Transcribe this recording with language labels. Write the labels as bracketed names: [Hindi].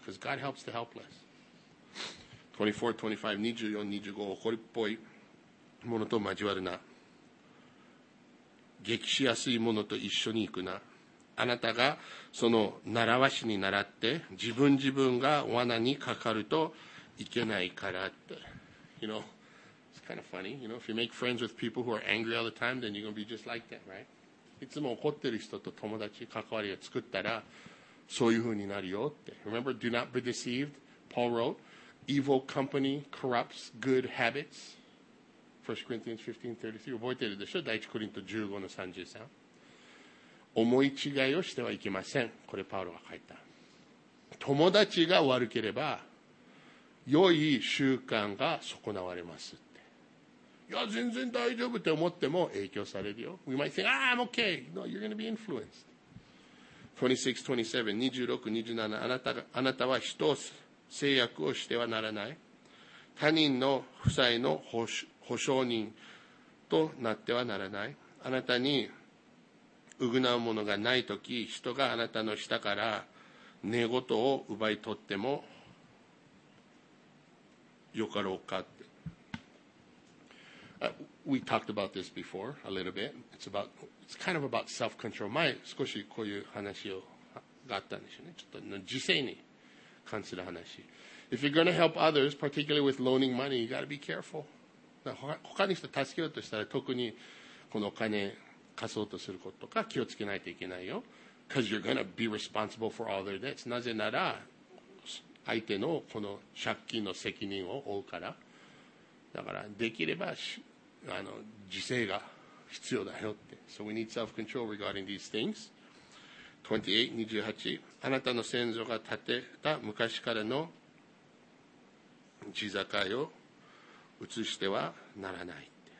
[English] Because God helps the helpless. 24, 25, 24, 25、 [Japanese] 怒りっぽい者と交わるな。激しやすい者と一緒に行くな。あなたがその習わしに習って自分が罠にかかるといけないからって。 [English] You know, it's kind of funny. You know, if you make friends with people who are angry all the time, then you're going to be just like that, right? [Japanese] いつも怒ってる人と友達、関わりを作ったらそういう風になるよって。 [English] Remember, do not be deceived. Paul wrote, evil company corrupts good habits. 1 Corinthians 15:33. [Japanese] 覚えてるでしょ？第一コリント15の33。思い違いをしてはいけません。これパウロが書いた。友達が悪ければ良い習慣が損なわれますって、いや全然大丈夫って思っても影響されるよ。 [English] We might think, ah, I'm okay. No, you're going to be influenced. [Japanese] 26, 27, 26, 27, あなたは人を制約をしてはならない、他人の負債の保証人となってはならない、あなたに償うものがないとき、人があなたの下から寝言を奪い取ってもよかろうかって。 [English] We talked about this before a little bit. It's kind of about self-control. [Japanese] 前少しこういう話をがあったんですよね。ちょっと自制に関する話。 [English] If you're going to help others, particularly with loaning money, you got to be careful. [Japanese] 他の人助けようとしたら特にこのお金貸そうとすることとか気をつけないといけないよ。 [English] Because you're going to be responsible for all their debts. [Japanese] なぜなら相手のこの借金の責任を負うから。だからできれば自制が必要だよって。 [English] So we need self-control regarding these things. [Japanese] 28, 28. あなたの先祖が建てた昔からの地境を移してはならない。